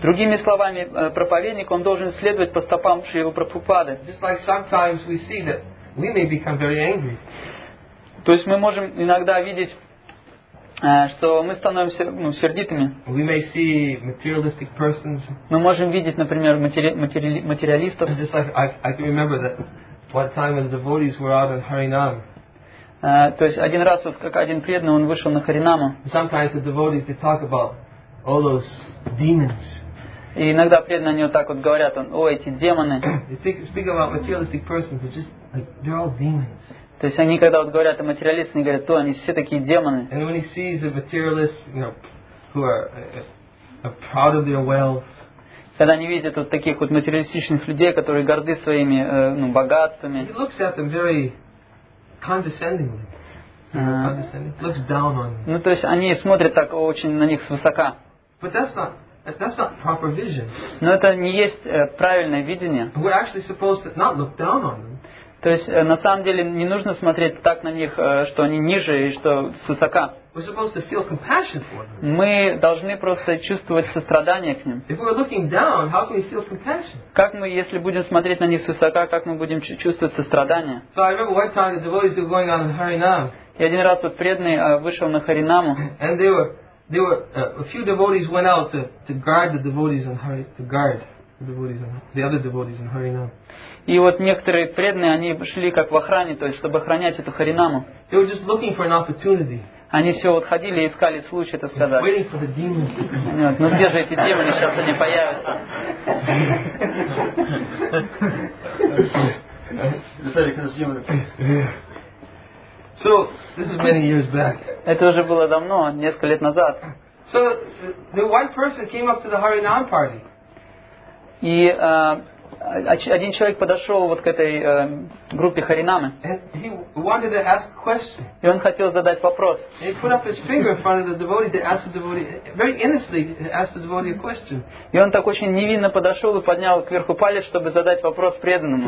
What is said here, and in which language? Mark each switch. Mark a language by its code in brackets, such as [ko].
[ru] Другими словами, проповедник, он должен следовать по стопам Шрилы Прабхупады. [en] Just like sometimes we see that we may become very angry. [ru] То есть мы можем иногда видеть, что мы становимся, ну, сердитыми. [en] We may see materialistic persons. [ru] Мы можем видеть, например, материалистов. [en] Just like I can remember that one time when the devotees were out in Harinam. [ru] То есть один раз вот как один преданный, он вышел на Харинаму. [en] Sometimes the devotees they talk about all those demons. [ru] И иногда преданные они вот так вот говорят, о, эти демоны. [en] Speak about materialistic persons, they're just like they're all demons. [ru] То есть они когда вот говорят о материалистах, они говорят, то они все такие демоны. [en] And when he sees the materialists, you know, who are proud of their wealth. [ru] Когда они видят вот таких вот материалистичных людей, которые горды своими богатствами. [en] He looks at them very condescendingly. Looks down on them. [ru] Ну то есть они смотрят так очень на них свысока. [en] But that's not proper vision. [ru] Но это не есть правильное видение. [en] We're actually supposed to not look down on them. [ru] То есть на самом деле не нужно смотреть так на них, что они ниже и что свысока. [en] We're supposed to feel compassion for them. [ru] Мы должны просто чувствовать сострадание к ним. [en] If we're looking down, how can we feel compassion? [ru] Как мы, если будем смотреть на них свысока, как мы будем чувствовать сострадание? [en] So I remember one time the devotees were going on in Harinam. [ru] И один раз вот преданный вышел на Харинаму. [en] And there were a few devotees went out to guard the devotees in Harinam. [ru] И вот некоторые преданные, они шли как в охране, то есть, чтобы охранять эту Харинаму. [en] They were just looking for an opportunity. [ru] Они все вот ходили и искали случай, так сказать. [en] Waiting for the demons. [ru] Ну где же эти демоны, сейчас они появятся. [en] So, this is many years back. [ru] Это уже было давно, несколько лет назад. [en] So, the one person came up to the Harinam party. [ru] И один человек подошел вот к этой группе Харинамы. И он хотел задать вопрос. И он так очень невинно подошел и поднял кверху палец, чтобы задать вопрос преданному.